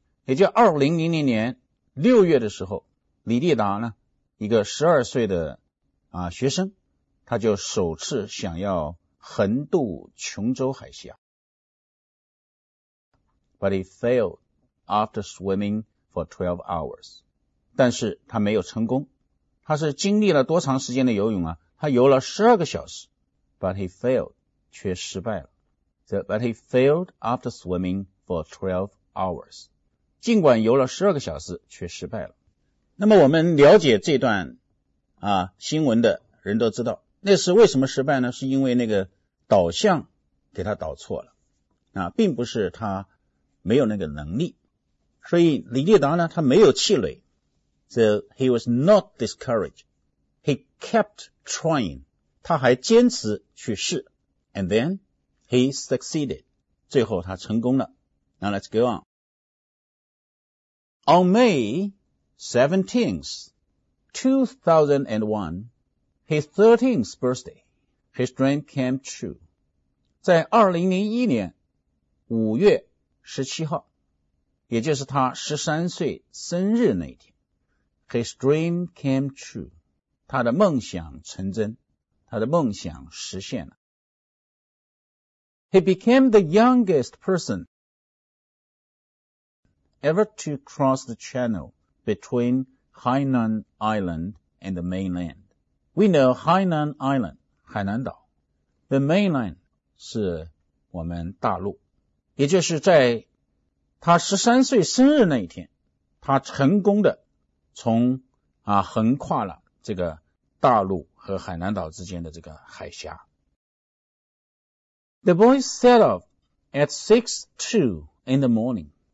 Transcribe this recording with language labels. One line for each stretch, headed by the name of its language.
Chinese: 也就2000年六月的时候，李丽达呢，一个12岁的学生，他就首次想要横渡琼州海峡。
English: But he failed after swimming for 12 hours.
Chinese: 但是他没有成功。他是经历了多长时间的游泳啊？他游了12个小时。
English: But he failed,
Chinese: 却失败了。
English: So, but he failed after swimming for 12 hours.
Chinese: 尽管游了12个小时却失败了。那么我们了解这段新闻的人都知道，那是为什么失败呢？是因为那个导向给他导错了并不是他没有那个能力。所以李丽达呢，他没有气馁。
English: So he was not discouraged. He kept trying.
Chinese: 他还坚持去试。
English: And then he succeeded.
Chinese: 最后他成功了。
English: Now let's go on. On May 17th, 2001, his 13th birthday, his dream came true.
Chinese: 在2001年5月17号，也就是他13岁生日那一天，
English: his dream came true.
Chinese: 他的梦想成真，他的梦想实现了。
English: He became the youngest person ever to cross the channel between Hainan Island and the mainland. We know Hainan Island,
Chinese: 海南岛。
English: The mainland
Chinese: 是我们大陆。也就是在他13岁生日那一天，他成功的从横跨了这个大陆和海南岛之间的这个海峡。
English: The boy set off at 6:02 in the morning.